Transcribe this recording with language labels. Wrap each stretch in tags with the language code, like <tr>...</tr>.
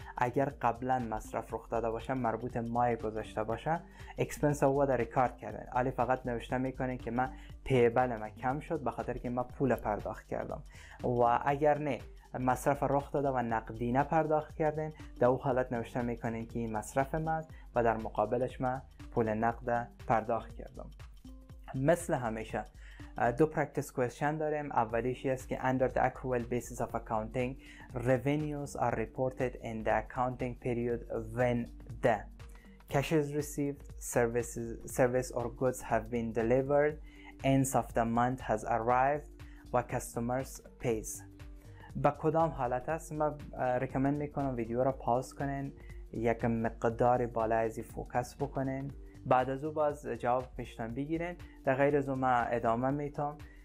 <fa>اگر قبلا مصرف رخ داده باشه مربوط ماه گذشته باشه، expense او در ریکارد کردن، علی فقط نوشته میکنه که من payable من کم شد به خاطر که من پول پرداخت کردم، و اگر نه مصرف رخ داده و نقدینه پرداخت کردین، در او حالت نوشته میکنین که این مصرف من و در مقابلش من پول نقد پرداخت کردم. مثل همیشه دو practice question داریم. اولیش است که</fa> <en>under the accrual basis of accounting revenues are reported in the accounting period when the cash is received, service or goods have been delivered, ends of the month has arrived و customers pays.</en> <fa>با کدام حالت است؟ من ریکامند میکنم ویدیو را پاوز کنین، یک مقدار بالا ازی فوکس بکنین، بعد از او باز جواب پیشتان بگیرین. در غیر از او من ادامه میتونم.</fa>